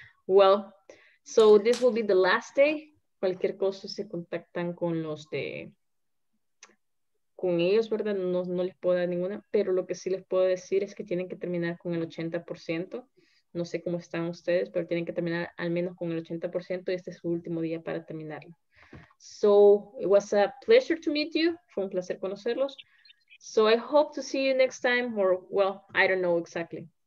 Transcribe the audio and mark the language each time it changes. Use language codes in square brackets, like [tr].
[en] Well, so this will be the last day. [es] Cualquier cosa se contactan con los de, con ellos, ¿verdad? No les puedo dar ninguna, pero lo que sí les puedo decir es que tienen que terminar con el 80%. No sé cómo están ustedes, pero tienen que terminar al menos con el 80% y este es su último día para terminarlo. [en] So, it was a pleasure to meet you. [es] Fue un placer conocerlos. [en] So, I hope to see you next time, or, well, I don't know exactly.